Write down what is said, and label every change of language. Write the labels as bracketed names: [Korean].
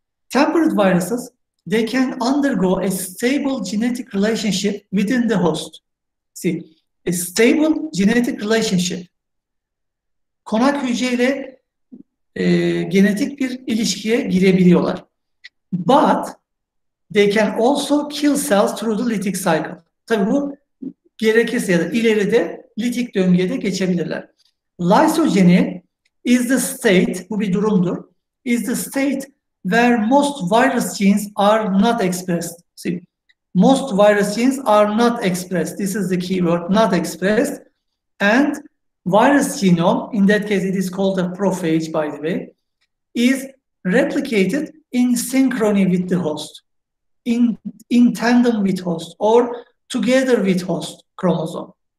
[English] Temperate viruses, they can undergo a stable genetic relationship within the host. See, a stable genetic relationship. [Turkish] Konak hücreyle genetik bir ilişkiye girebiliyorlar. [English] But they can also kill cells through the lytic cycle. [Turkish] Tabii bu gerekirse ya da ileride lytic döngüye de geçebilirler. [English] Lysogeny is the state, [Turkish] bu bir durumdur, [English] is the state where most virus genes are not expressed. See, most virus genes are not expressed. This is the key word, not expressed. And virus genome, in that case it is called a prophage by the way, is replicated in synchrony with the host, in tandem with host, or together with host chromosome.